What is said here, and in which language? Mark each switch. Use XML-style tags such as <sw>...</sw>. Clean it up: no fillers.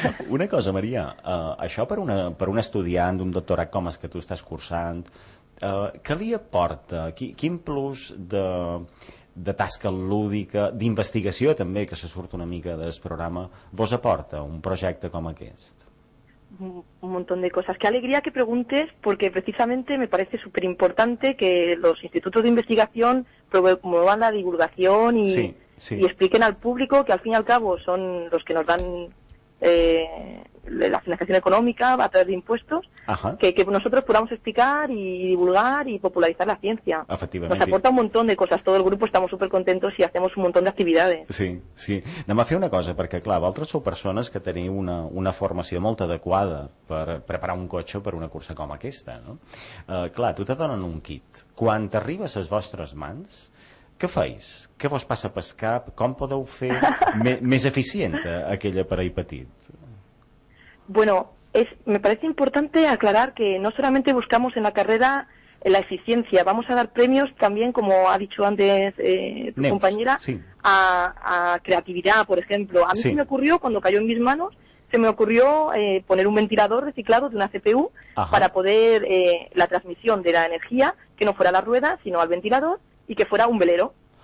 <ca>Una cosa, Maria, això per un estudiant d'un doctorat com és que tu estàs cursant, què li aporta, quin plus de tasca lúdica, d'investigació també, que se surt una mica del programa, vos aporta un projecte com aquest?</ca> <es>Un montón de cosas. Qué alegría que preguntes, porque precisamente me parece súper importante que los institutos de investigación promuevan la divulgación y expliquen al público, que al fin y al cabo son los que nos dan la financiación económica a través de impuestos, que nosotros podamos explicar y divulgar y popularizar la ciencia. Efectivamente. Nos aporta un montón de cosas. Todo el grupo estamos súper contentos y hacemos un montón de actividades. Sí, sí.</es> <ca>Anem a fer una cosa, perquè, clar, vosaltres sou persones que teniu una formació molt adequada per preparar un cotxe per una cursa com aquesta, no? Clar, tu te donen un kit. Quan t'arribes a les vostres mans, què feis? Què vos passa pel cap? Com podeu fer més eficient aquell aparell petit?</ca> <es>Bueno, me parece importante aclarar que no solamente buscamos en la carrera la eficiencia, vamos a dar premios también, como ha dicho antes tu Neus, compañera, sí. a creatividad, por ejemplo. A mí se me ocurrió, cuando cayó en mis manos, se me ocurrió poner un ventilador reciclado de una CPU para poder la transmisión de la energía, que no fuera a la rueda, sino al ventilador, y que fuera un velero.</es>